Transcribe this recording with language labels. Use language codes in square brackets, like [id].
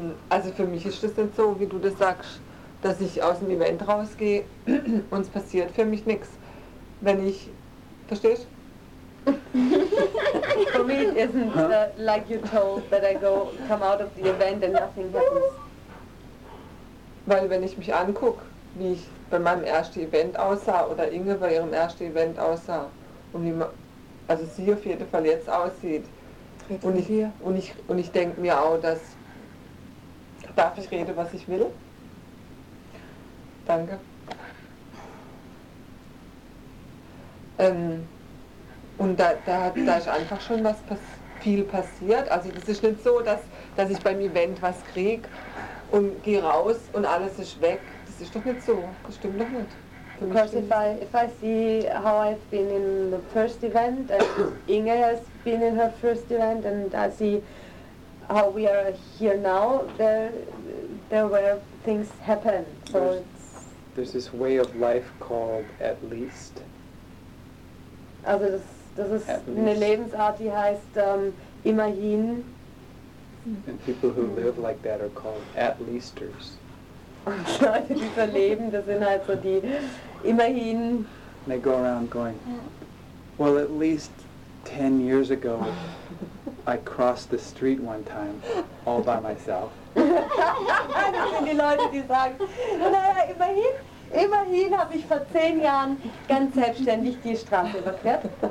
[de] Also für mich ist das nicht so, wie du das sagst, dass ich aus dem Event rausgehe und es passiert für mich nichts. Wenn ich, verstehst? [en] For me it isn't like you told that I go come out of the event and nothing happens. [de] Weil wenn ich mich angucke, wie ich bei meinem ersten Event aussah oder Inge bei ihrem ersten Event aussah und wie man, also sie auf jeden Fall jetzt aussieht. Und ich denke mir auch, dass darf ich reden, was ich will? Danke. Und da ist einfach schon was viel passiert. Also das ist nicht so, dass ich beim Event was kriege und gehe raus und alles ist weg. Das ist doch nicht so. Das stimmt doch nicht. [en] Of course, if I see how I've been in the first event, and Inge has been in her first event, and I see how we are here now, there were things happen. So there's this way of life called at least. [de] Also das ist eine Lebensart, die heißt immerhin. [en] And people who live like that are called at leasters. [de] Leute, die so leben, das sind halt so die immerhin. [en] They go around going, well, at least 10 years ago, I crossed the street one time, all by myself. [de] Das sind die Leute, die sagen, naja, immerhin habe ich vor 10 Jahren ganz selbstständig die Straße überquert.